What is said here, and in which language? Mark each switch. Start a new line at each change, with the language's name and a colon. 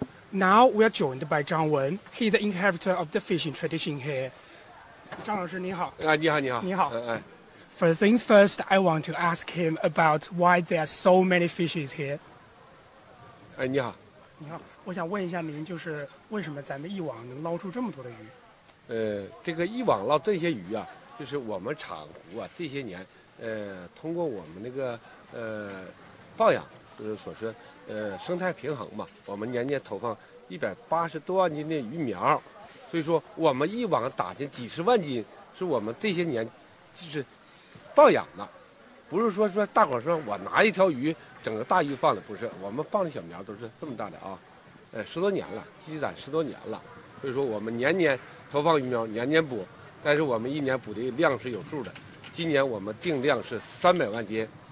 English: Now we are joined by Zhang Wen. He's the inheritor of the fishing tradition here.
Chinese: Zhang 老师, 你好。你好。
English: First things first, I want to ask him about why there are so many fishes here.
Chinese: 你好。我想问一下您，就是为什么咱们一网能捞出这么多的鱼？这个一网捞这些鱼啊，就是我们厂湖啊，这些年，通过我们那个放养，就是所说，生态平衡嘛，我们年年投放 180多万斤的鱼苗，所以说我们一网打尽几十万斤，是我们这些年就是放养的，不是说大伙说我拿一条鱼整个大鱼放的，不是，我们放的小苗都是这么大的啊，十多年了，积攒十多年了，所以说我们年年投放鱼苗年年补，但是我们一年补的量是有数的，今年我们定量是300万斤。